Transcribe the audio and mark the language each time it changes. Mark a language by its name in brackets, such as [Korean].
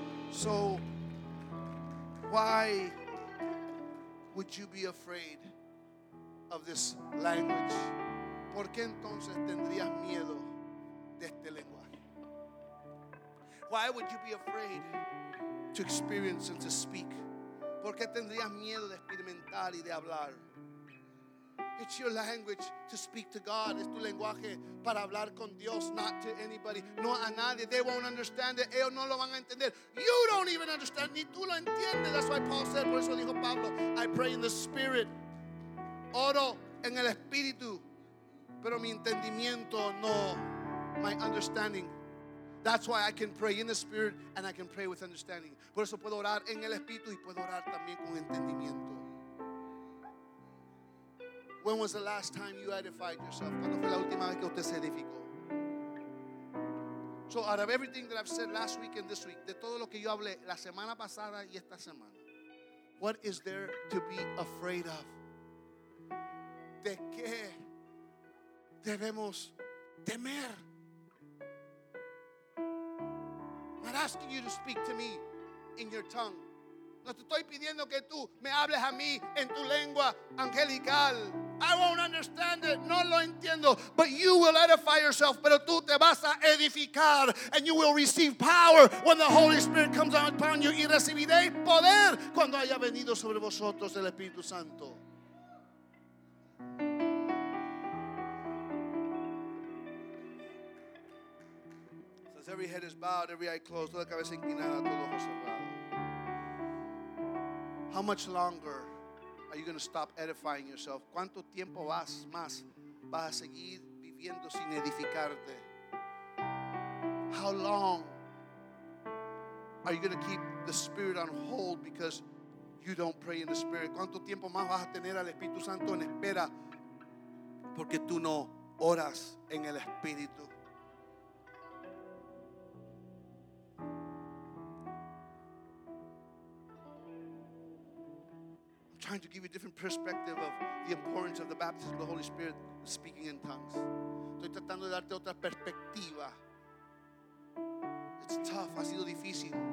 [English] So, why would you be afraid of this language? [Spanish] ¿Por qué entonces tendrías miedo de este lenguaje? [English] Why would you be afraid to experience and to speak? [Spanish] ¿Por qué tendrías miedo de experimentar y de hablar? [English] It's your language to speak to God. [Spanish] Es tu lenguaje para hablar con Dios. [English] Not to anybody. [Spanish] No a nadie. [English] They won't understand it. [Spanish] Ellos no lo van a entender. [English] You don't even understand. [Spanish] Ni tú lo entiendes. [English] That's why Paul said. [Spanish] Por eso dijo Pablo, [English] I pray in the spirit. [Spanish] Oro en el espíritu. Pero mi entendimiento no. [English] My understanding. That's why I can pray in the spirit and I can pray with understanding. [Spanish] Por eso puedo orar en el espíritu y puedo orar también con entendimiento. [English] When was the last time you edified yourself? [Spanish] ¿Cuándo fue la última vez que usted se edificó? [English] So out of everything that I've said last week and this week, [Spanish] de todo lo que yo hablé la semana pasada y esta semana, [English] what is there to be afraid of? [Spanish] ¿De qué debemos temer? [English] I'm not asking you to speak to me in your tongue. [Spanish] No te estoy pidiendo que tú me hables a mí en tu lengua angelical. [English] I won't understand it. [Spanish] No lo entiendo. [English] But you will edify yourself. [Spanish] Pero tú te vas a edificar. [English] And you will receive power when the Holy Spirit comes upon you. [Spanish] Y recibiréis poder cuando haya venido sobre vosotros el Espíritu Santo. [English] So every head is bowed, every eye closed. [Spanish] Toda cabeza inclinada, todo ojo cerrado. [English] How much longer are you going to stop edifying yourself? [Spanish] ¿Cuánto tiempo vas más vas a seguir viviendo sin edificarte? [English] How long are you going to keep the Spirit on hold because you don't pray in the Spirit? [Spanish] ¿Cuánto tiempo más vas a tener al Espíritu Santo en espera porque tú no oras en el Espíritu? [English] I'm trying to give you a different perspective of the importance of the baptism of the Holy Spirit speaking in tongues. [Spanish] Estoy tratando de darte otra perspectiva. [English] It's tough, [Spanish] ha sido difícil.